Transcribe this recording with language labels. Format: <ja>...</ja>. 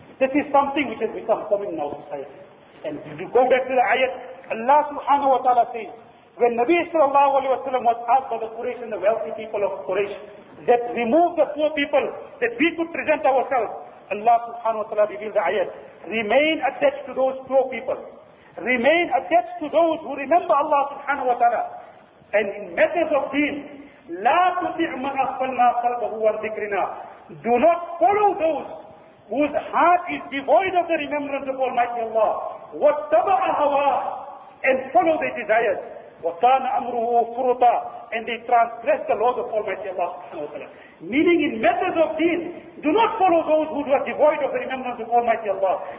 <en>This is something which has become common in our society. And if you go back to the ayat, Allah subhanahu wa ta'ala says, when Nabi sallallahu alayhi wa sallam was asked by the Quraysh and the wealthy people of Quraysh, that remove the poor people, that we could present ourselves, Allah subhanahu wa ta'ala revealed the ayat, remain attached to those poor people. Remain attached to those who remember Allah subhanahu wa ta'ala. And in matters of deen,</en> <ar>لَا تُطِعْ مَنْ أَخْفَلْنَا قَلْبَهُ عَنْ ذِكْرِنَا.</ar> <en>Do not follow those whose heart is devoid of the remembrance of Almighty Allah.</en> <ar>وَاتَّبَعَ هَوَاهُ.</ar> <en>And follow their desires.</en> <ar>وَكَانَ أَمْرُهُ فُرُطًا.</ar> <en>And they transgress the laws of Almighty Allah. Meaning in matters of deen, do not follow those who are devoid of the remembrance of Almighty Allah.</en>